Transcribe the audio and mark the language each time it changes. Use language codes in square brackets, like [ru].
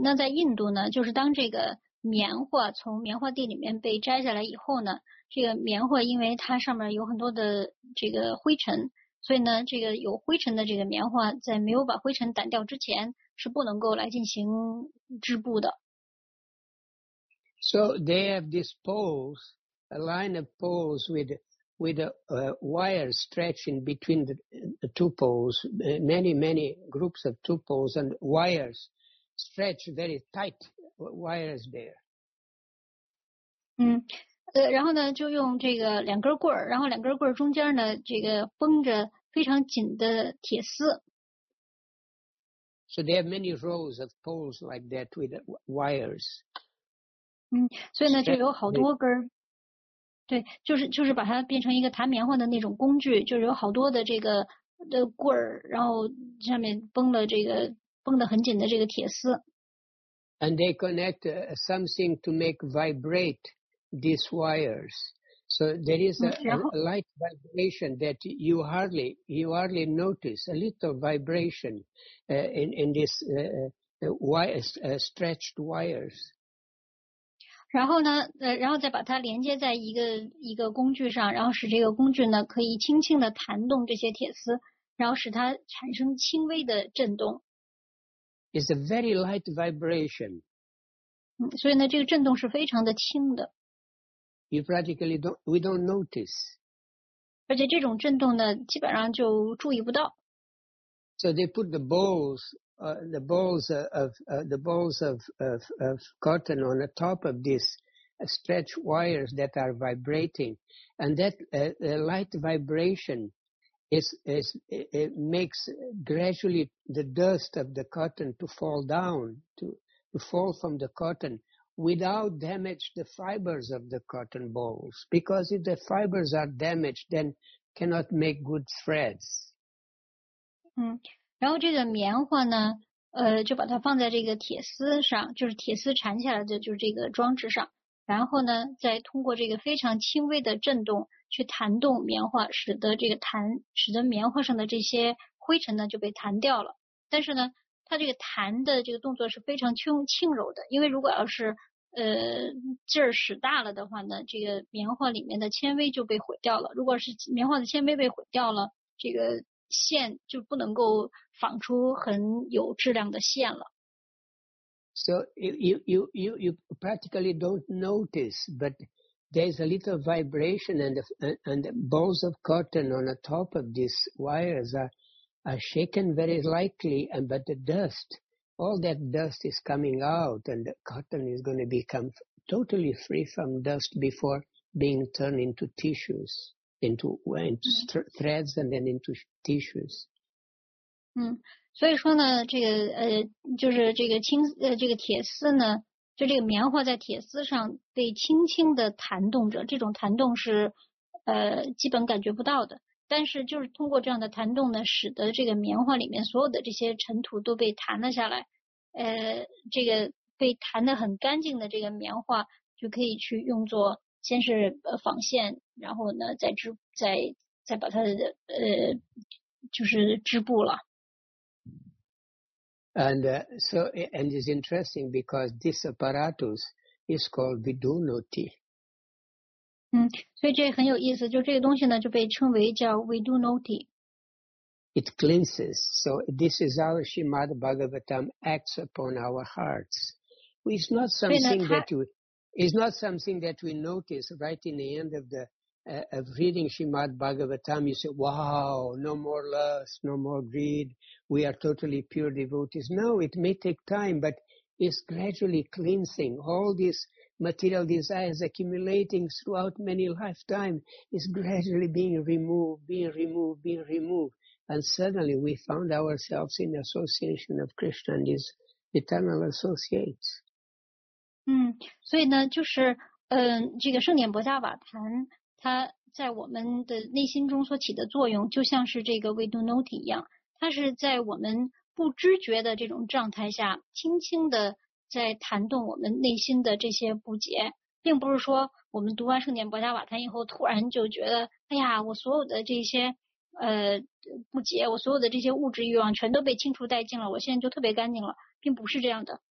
[zh] 那在印度呢，就是当这个棉花从棉花地里面被摘下来以后呢，这个棉花因为它上面有很多的这个灰尘，所以呢，这个有灰尘的这个棉花在没有把灰尘掸掉之前是不能够来进行织布的。 [en] So they have these poles, a line of poles with wires stretching between the two poles, many, many groups of two poles and wires stretch very tight wires there. [zh] 然后呢，就用这个两根棍儿，然后两根棍儿中间呢，这个绷着非常紧的铁丝。 [en] So there are many rows of poles like that with wires. [zh] 所以呢，就有好多根儿。对，就是把它变成一个弹棉花的那种工具，就是有好多的这个的棍儿，然后下面绷了这个绷得很紧的这个铁丝。 [en] And they connect something to make vibrate. These wires, so there is a light vibration that you hardly notice, a little vibration in this stretched wires. [zh] 然后呢，然后再把它连接在一个工具上，然后使这个工具呢可以轻轻的弹动这些铁丝，然后使它产生轻微的震动。 [en] It's a very light vibration. [zh] 所以呢，这个震动是非常的轻的。 [en] You practically don't. We don't notice. [zh] 而且这种震动呢，基本上就注意不到。 [en] So they put the balls of cotton on the top of these stretch wires that are vibrating, and that light vibration it makes gradually the dust of the cotton to fall down to fall from the cotton. Without damage the fibers of the cotton balls, because if the fibers are damaged, then cannot make good threads. [zh] 然后这个棉花呢，就把它放在这个铁丝上，就是铁丝缠下来的，就是这个装置上。然后呢，再通过这个非常轻微的震动去弹动棉花，使得棉花上的这些灰尘呢就被弹掉了。但是呢，它这个弹的这个动作是非常轻柔的，因为如果要是劲儿使大了的话呢，这个棉花里面的纤维就被毁掉了。如果是棉花的纤维被毁掉了，这个线就不能够纺出很有质量的线了。 [en] So you practically don't notice, but there's a little vibration and the balls of cotton on the top of these wires are shaken very lightly, but the dust, all that dust is coming out, and the cotton is going to become totally free from dust before being turned into tissues. Into threads and then into tissues. [zh] 所以说呢，这个就是这个轻这个铁丝呢，就这个棉花在铁丝上被轻轻的弹动着，这种弹动是基本感觉不到的。但是就是通过这样的弹动呢，使得这个棉花里面所有的这些尘土都被弹了下来，这个被弹得很干净的这个棉花就可以去用作。先是纺线，然后呢，再把它就是织布了。 [en] And so, and it's interesting because this apparatus is called Vidunoti. [zh] 所以这很有意思，就这个东西呢，就被称为叫 Vidunoti. [en] It cleanses. So this is how Srimad Bhagavatam acts upon our hearts. It's not something that you. It's not something that we notice right in the end of the of reading Srimad Bhagavatam. You say, wow, no more lust, no more greed. We are totally pure devotees. No, it may take time, but it's gradually cleansing. All these material desires accumulating throughout many lifetimes is gradually being removed. And suddenly we found ourselves in association of Krishna and his eternal associates. [zh] 所以呢，就是这个圣典薄伽瓦坛，它在我们的内心中所起的作用，就像是这个 Vidunoti 一样，它是在我们不知觉的这种状态下，轻轻的在弹动我们内心的这些不洁，并不是说我们读完圣典薄伽瓦坛以后，突然就觉得，哎呀，我所有的这些不洁，我所有的这些物质欲望全都被清除殆尽了，我现在就特别干净了，并不是这样的。